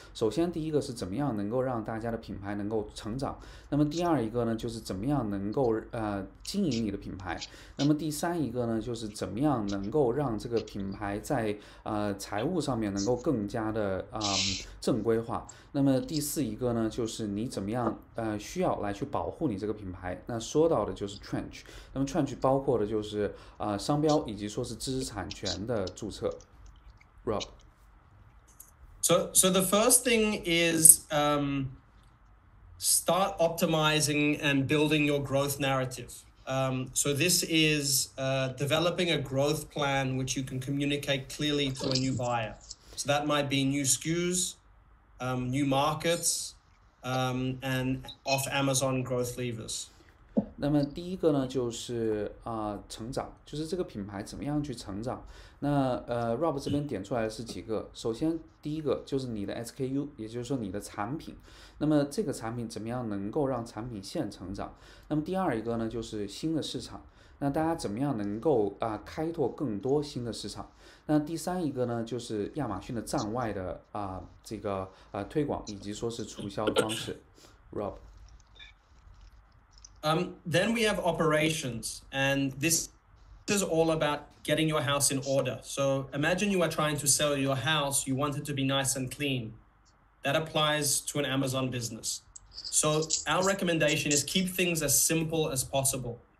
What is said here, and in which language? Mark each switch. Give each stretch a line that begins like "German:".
Chinese: 首先第一个是怎么样能够让大家的品牌能够成长，那么第二一个呢，就是怎么样能够经营你的品牌，那么第三一个呢，就是怎么样能够让这个品牌在财务上面能够更加的正规化。那么第四一个呢，就是你怎么样需要来去保护你这个品牌，那说到的就是 trench， 那么 trench 包括的就是商标以及说是知识产权的注册。 Rob，
English: So the first thing is start optimizing and building your growth narrative. So this is developing a growth plan which you can communicate clearly to a new buyer. So that might be new SKUs, new markets, and off Amazon growth levers.
Chinese: 那么第一个呢，就是成长，就是这个品牌怎么样去成长。那Rob 这边点出来的是几个，首先第一个就是你的 SKU， 也就是说你的产品，那么这个产品怎么样能够让产品线成长。那么第二一个呢，就是新的市场，那大家怎么样能够开拓更多新的市场。那第三一个呢，就是亚马逊的站外的这个推广以及说是促销的方式。 Rob，
English: then we have operations, and this is all about getting your house in order. So imagine you are trying to sell your house, you want it to be nice and clean. That applies to an Amazon business. So our recommendation is keep things as simple as possible.